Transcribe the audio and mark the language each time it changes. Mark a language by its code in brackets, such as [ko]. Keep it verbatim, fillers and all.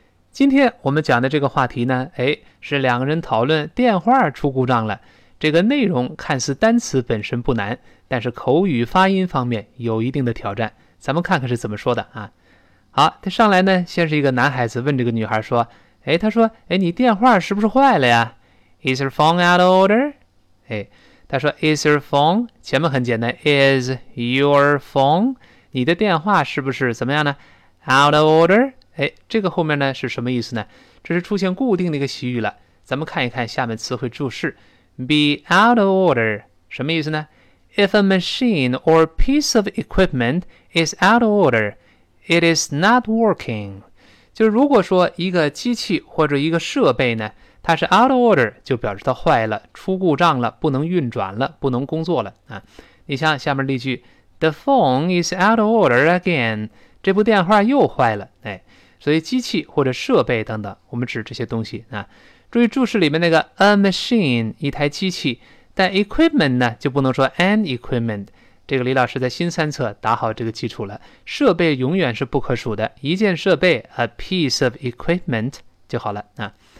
[zh] 今天我们讲的这个话题呢，哎，是两个人讨论电话出故障了。这个内容看似单词本身不难，但是口语发音方面有一定的挑战。咱们看看是怎么说的啊。好，他上来呢，先是一个男孩子问这个女孩说，哎，他说，哎，你电话是不是坏了呀？ [en] Is your phone out of order？ [zh] 哎，他说 [en] Is your phone？ [zh] 前面很简单， Is your phone？你的电话是不是怎么样呢？ [en] Out of order？ [zh] 哎，这个后面呢是什么意思呢？这是出现固定的一个习语了。咱们看一看下面词汇注释。 [en] Be out of order [zh] 什么意思呢？ [en] If a machine or piece of equipment is out of order, it is not working. [zh] 就是如果说一个机器或者一个设备呢，它是 out of order， 就表示它坏了，出故障了，不能运转了，不能工作了啊。你像下面例句 [en] The phone is out of order again. [zh] 这部电话又坏了。哎，所以机器或者设备等等，我们指这些东西啊。注意注释里面那个 a machine 一台机器，但 equipment 呢就不能说 an equipment。这个李老师在新三册打好这个基础了，设备永远是不可数的，一件设备 [en] a piece of equipment [zh] 就好了啊。